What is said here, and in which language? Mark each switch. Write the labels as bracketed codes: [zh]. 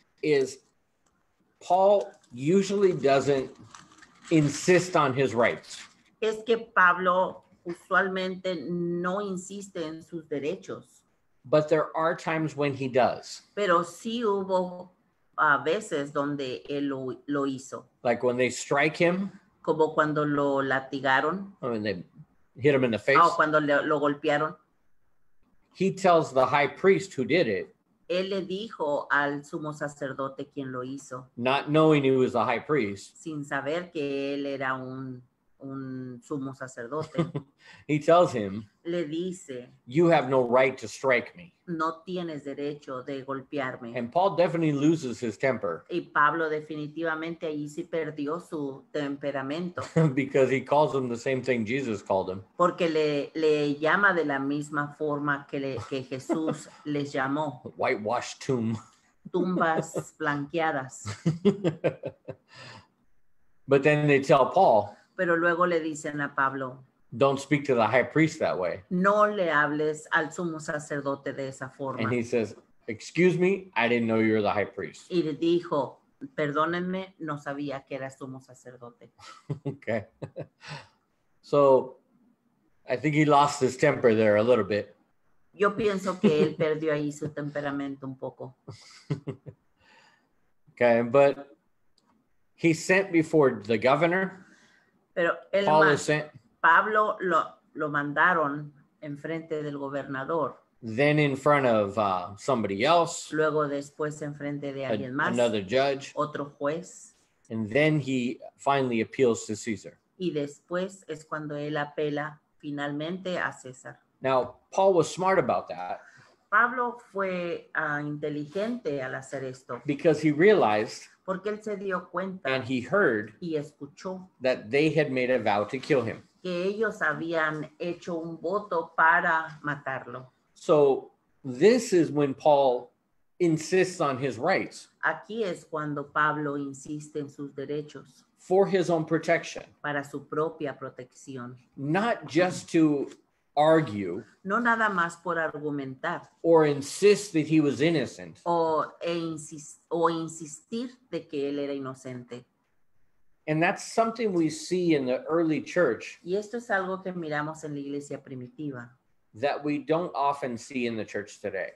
[en] is Paul usually doesn't insist on his rights. [es] Es que Pablo usualmente no insiste en sus derechos. [en] But there are times when he does. [es] Pero sí hubo a veces donde él lo hizo. [en] Like when they strike him. [es] Como cuando lo latigaron. [en] Or when they hit him in the face. [es] O cuando lo golpearon. [en] He tells the high priest who did it. [es] Él le dijo al sumo sacerdote quien lo hizo. [en] Not knowing he was a high priest. [es] Sin saber que él era un sumo sacerdote. [en] He tells him. [es] Le dice. [en] You have no right to strike me. [es] No tienes derecho de golpearme. [en] And Paul definitely loses his temper. [es] Y Pablo definitivamente allí sí perdió su temperamento. [en] Because he calls him the same thing Jesus called him. [es] Porque le llama de la misma forma que Jesús les llamó. [en] Whitewashed tomb. [es] Tumbas blanqueadas. [en] But then they tell Paul. [es] Pero luego le dicen a Pablo. [en] Don't speak to the high priest that way. [es] No le hables al sumo sacerdote de esa forma. [en] And he says, excuse me, I didn't know you were the high priest. [es] Y le dijo, perdónenme, no sabía que era sumo sacerdote. [en] Okay. So, I think he lost his temper there a little bit. [es] Yo pienso que él perdió ahí su temperamento un poco. [en] Okay, but he sent before the governor. [es] Pero él [en] Paul was sent. [es] Pablo lo mandaron en frente del gobernador. [en] Then in front of somebody else. [es] Luego después en frente de alguien más. [en] Another judge. [es] Otro juez. [en] And then he finally appeals to Caesar. [es] Y después es cuando él apela finalmente a César. [en] Now, Paul was smart about that. [es] Pablo fue inteligente al hacer esto. [en] Because he realized. [es] Porque él se dio cuenta. [en] And he heard. [es] Y escuchó. [en] That they had made a vow to kill him. [es] Que ellos habían hecho un voto para matarlo. [en] So, this is when Paul insists on his rights. [es] Aquí es cuando Pablo insiste en sus derechos. [en] For his own protection. [es] Para su propia protección. [en] Not just to argue. [es] No nada más por argumentar. [en] Or insist that he was innocent. [es] O insistir de que él era inocente. [en] And that's something we see in the early church. [es] Y esto es algo que miramos en la iglesia primitiva. [en] That we don't often see in the church today.